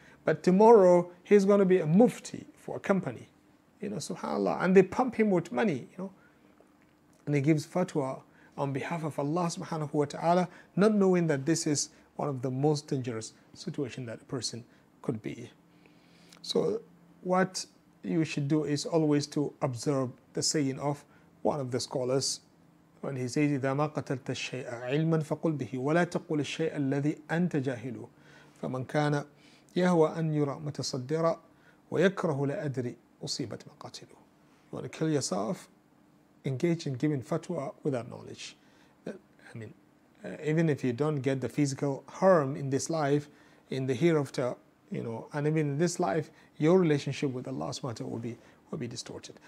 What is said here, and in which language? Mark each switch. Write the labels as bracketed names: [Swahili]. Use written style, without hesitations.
[English] But tomorrow, he's going to be a mufti for a company. You know, subhanAllah. And they pump him with money, you know. And he gives fatwa on behalf of Allah subhanahu wa ta'ala, not knowing that this is one of the most dangerous situations that a person could be. So what you should do is always to observe the saying of one of the scholars when he says, [Arabic] إِذَا مَا قَتَلْتَ الشَّيْءَ عِلْمًا فَقُلْ بِهِ وَلَا تَقُلِ الشَّيْءَ الَّذِي أَنْتَ جَاهِلُ فَمَنْ كَانَ يَهْوَى أَنْ يُرَى مُتَصَدِّرًا وَيَكْرَهُ لَأَدْرِي أُصِيبَتْ مَقَاتِلُ. [English] You want to kill yourself? Engage in giving fatwa without knowledge. I mean, even if you don't get the physical harm in this life, in the hereafter, you know, and even in this life, your relationship with Allah subhanahu wa ta'ala will be distorted.